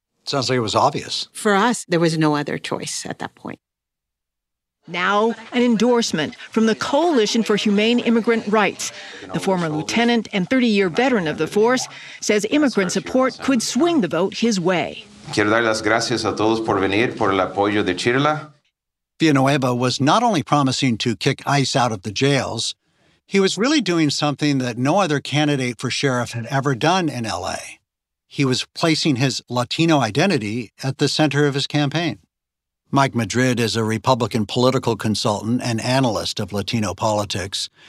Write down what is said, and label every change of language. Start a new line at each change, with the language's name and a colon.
English: Sounds like it was obvious. For us, there was no other choice at that point. Now, an endorsement from the Coalition for Humane Immigrant Rights. The former lieutenant and 30-year veteran of the force says immigrant support could swing the vote his way.
Spanish: Quiero dar las gracias a todos por venir, por el apoyo de Chirla.
English: Villanueva was not only promising to kick ICE out of the jails, he was really doing something that no other candidate for sheriff had ever done in L.A. He was placing his Latino identity at the center of his campaign. Mike Madrid is a Republican political consultant and analyst of Latino politics.